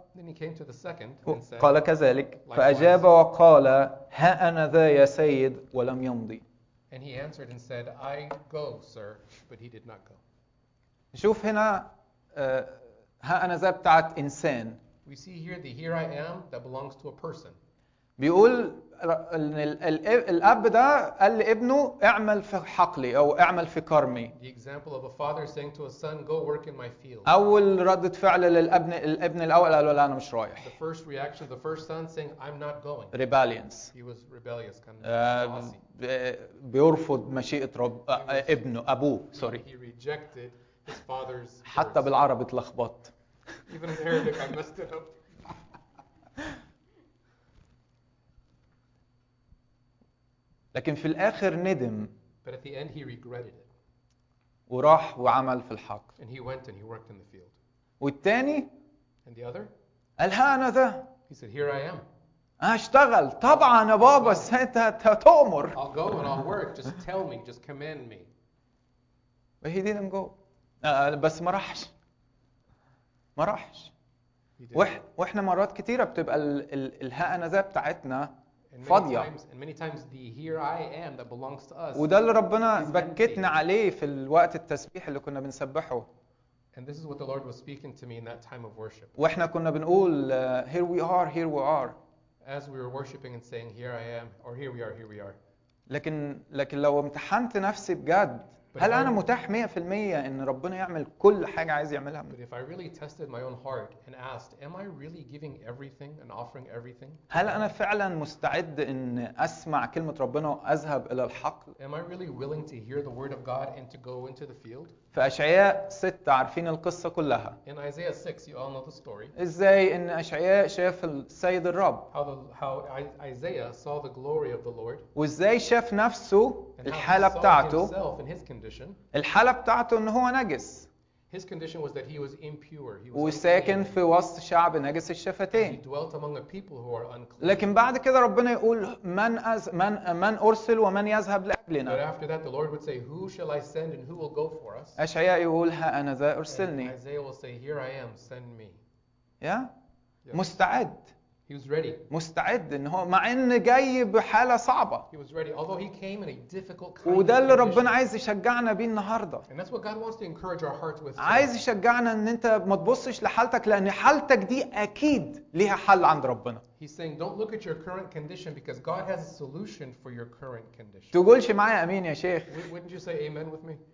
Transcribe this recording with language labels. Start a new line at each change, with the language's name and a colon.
English: Then he came to the second and said,
Arabic: قال كذلك فأجاب وقال ها أنا ذا يا سيد ولم يمضي.
English: And he answered and said, I go, sir, but he did not go.
Arabic: نشوف هنا ها أنا ذا بتاعة إنسان.
English: We see here the here I am that belongs to a person.
Arabic: بيقول إن الأب ده قال لابنه اعمل في حقلي أو اعمل في كرمي.
English: The example of a father saying to a son, go work in my field.
Arabic: أول ردة فعل للابن الابن الأول قال له أنا مش رايح.
English: The first reaction of the first son saying, I'm not going. Rebellions. He was rebellious. Kind of
Arabic: بيرفض مشيئة رب ابنه أبوه
English: sorry. He rejected his father's.
Arabic: حتى بالعربي تلخبط.
English: Even in Arabic I messed it up.
Arabic: لكن في الآخر ندم
English: But at the end he regretted it.
Arabic: وراح وعمل في الحقل
English: and he went and he worked in the field.
Arabic: والتاني
English: and the other
Arabic: قال ها أنا ذا
English: he said here I am
Arabic: اشتغل طبعا يا بابا انت تأمر
English: I'll go and I'll work just tell me just command me but he didn't go
Arabic: بس ما راحش. ما راحش. واحنا مرات كثيره بتبقى الهأنذة بتاعتنا فاضيه.
English: And many times the here I am that belongs to us.
Arabic: وده اللي ربنا بكتنا عليه في الوقت التسبيح اللي كنا بنسبحه.
English: And this is what the Lord was speaking to me in that time of worship.
Arabic: واحنا كنا بنقول
English: here we are, here we are. As we were worshiping and saying here I am or here we are, here we are.
Arabic: لكن لو امتحنت نفسي بجد هل انا متاح 100% ان ربنا يعمل كل حاجه عايز يعملها؟
English: But if I really tested my own heart and asked am I really giving everything and offering everything?
Arabic: هل انا فعلا مستعد ان اسمع كلمه ربنا واذهب الى الحقل؟
English: Am I really willing to hear the word of God and to go into the field?
Arabic: في اشعياء 6 عارفين القصه كلها.
English: In Isaiah 6 you all know the story.
Arabic: ازاي ان اشعياء شاف السيد الرب؟
English: How Isaiah saw the glory of the Lord.
Arabic: وازاي شاف نفسه الحاله بتاعته؟ الحالة بتاعته ان هو نجس.
English: His condition was that he was impure. He was
Arabic: وساكن في وسط شعب نجس الشفتين.
English: He dwelt among a people who are unclean.
Arabic: لكن بعد كده ربنا يقول من ارسل ومن يذهب لأجلنا.
English: But after that the Lord would say who shall I send and who will go for us?
Arabic: أشعياء يقول ها انا ذا ارسلني.
English: And Isaiah will say here I am send me. Yeah? Yes.
Arabic: مستعد.
English: He was ready.
Arabic: مستعد ان هو مع ان جاي بحاله صعبه.
English: He was ready. Although he came in a difficult kind.
Arabic: وده اللي ربنا عايز يشجعنا بيه النهارده.
English: And that's what God wants to encourage our hearts with.
Arabic: عايز يشجعنا ان انت ما تبصش لحالتك لان حالتك دي اكيد ليها حل عند ربنا.
English: He's saying don't look at your current condition because God has a solution for your current condition.
Arabic: تقولش معايا امين يا شيخ.
English: Wouldn't you say amen with me?